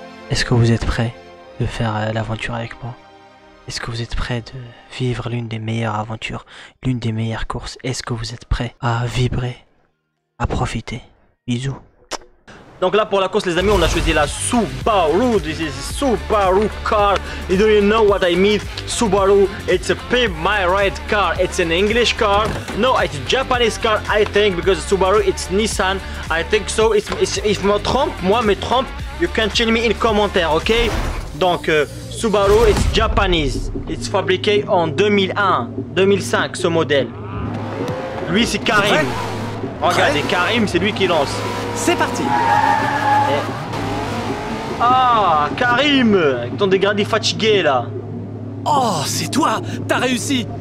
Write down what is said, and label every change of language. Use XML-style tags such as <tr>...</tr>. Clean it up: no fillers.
<fr>Est-ce que vous êtes prêt de faire l'aventure avec moi? Est-ce que vous êtes prêt de vivre l'une des meilleures aventures, l'une des meilleures courses? Est-ce que vous êtes prêt à vibrer, à profiter? Bisous. Donc là pour la course les amis, on a choisi la Subaru.</fr> <en>This is Subaru car. Do you know what I mean? Subaru, it's a pimp my ride car. It's an English car. No, it's a Japanese car I think, because Subaru it's Nissan. I think so. If</en> <fr>me trompe.</fr> <en>You can tell me in commentaire, ok? Donc, Subaru, it's Japanese. It's</en> <fr>fabriqué en 2001, 2005, ce modèle. Lui, c'est Karim. Regardez, Karim, c'est lui qui lance. C'est parti. Ah, Karim, avec ton dégradé fatigué, là. Oh, c'est toi, t'as réussi.</fr>